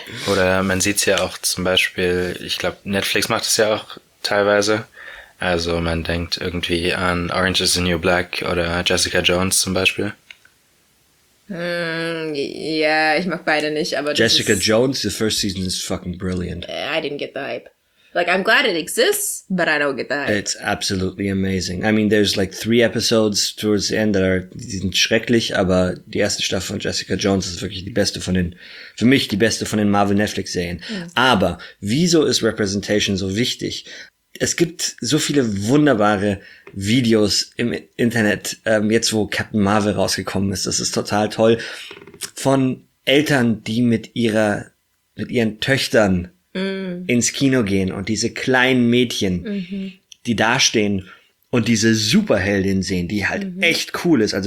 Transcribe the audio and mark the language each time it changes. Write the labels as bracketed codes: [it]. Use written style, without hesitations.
[de] Oder man sieht es ja auch zum Beispiel, ich glaube, Netflix macht es ja auch teilweise. Also man denkt irgendwie an Orange is the New Black oder Jessica Jones zum Beispiel. Ja, ich mag beide nicht, aber [en] Jessica Jones, the first season is fucking brilliant. I didn't get the hype. Like, I'm glad it exists, but I don't get the hype. It's absolutely amazing. I mean, there's like 3 episodes towards the end that are, [de] die sind schrecklich, aber die erste Staffel von Jessica Jones ist wirklich die beste von den, für mich die beste von den Marvel-Netflix-Serien. Mhm. Aber wieso ist Representation so wichtig? Es gibt so viele wunderbare Videos im Internet, jetzt wo Captain Marvel rausgekommen ist, das ist total toll, von Eltern, die mit ihren Töchtern ins Kino gehen und diese kleinen Mädchen, die dastehen und diese Superheldin sehen, die halt echt cool ist.